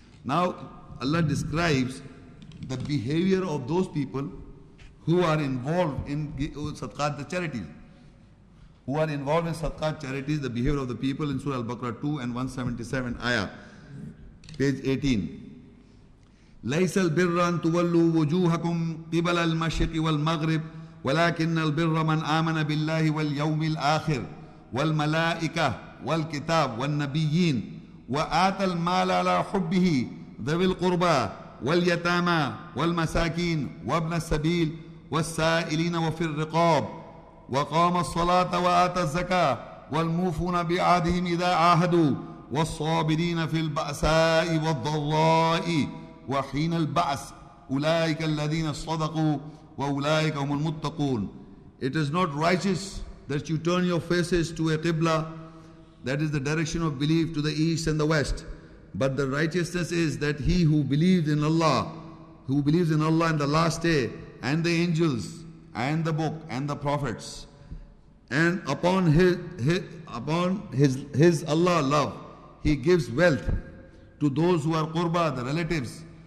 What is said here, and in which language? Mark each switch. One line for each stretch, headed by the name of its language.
English: Now Allah describes the behavior of those people who are involved in sadaqat, the charities. Who are involved in sadaqat charities, the behavior of the people in Surah Al-Baqarah 2 and 177 ayah, page 18.
Arabic: لَيْسَ الْبِرَّ أَن تُوَلُّوا وُجُوهَكُمْ قِبَلَ الْمَشْرِقِ وَالْمَغْرِبِ وَلَكِنَّ الْبِرَّ مَنْ آمَنَ بِاللَّهِ وَالْيَوْمِ الْآخِرِ وَالْمَلَائِكَةِ والكتاب والنبيين وآتى المال على حبه ذوي القربى واليتامى والمساكين وابن السبيل والسائلين وفي الرقاب وقام الصلاة وآتى الزكاة والموفون بعهدهم إذا عاهدوا والصابرين في البأساء والضراء وحين البأس أولئك الذين صدقوا وأولئك هم المتقون.
English: It is not righteous that you turn your faces to a qibla, that is the direction of belief, to the east and the west. But the righteousness is that he who believes in Allah, who believes in Allah and the last day, and the angels, and the book, and the prophets, and upon his Allah love, he gives wealth to those who are qurba, the relatives,